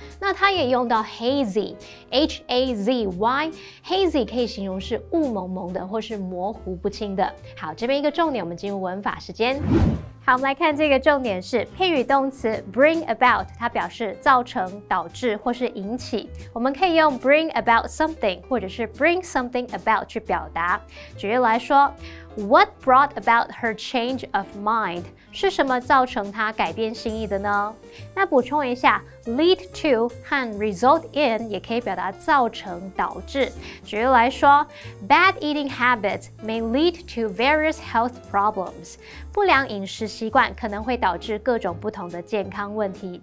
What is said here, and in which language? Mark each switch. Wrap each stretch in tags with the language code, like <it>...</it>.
<zh>那他也用到 hazy， H-A-Z-Y， hazy 可以形容是雾蒙蒙的或是模糊不清的。好，这边一个重点，我们进入文法时间。好，我们来看这个重点是片语动词 bring about， 它表示造成、导致或是引起。我们可以用</zh> <en>bring about something</en> <zh>或者是</zh> <en>bring something about</en> <zh>去表达。举例来说，</zh> <en>What brought about her change of mind?</en> <zh>是什么造成她改变心意的呢？那补充一下 ，lead to 和 result in 也可以表达造成、导致。举例来说</zh> <en>，bad eating habits may lead to various health problems.</en> <zh>不良饮食习惯可能会导致各种不同的健康问题。</zh>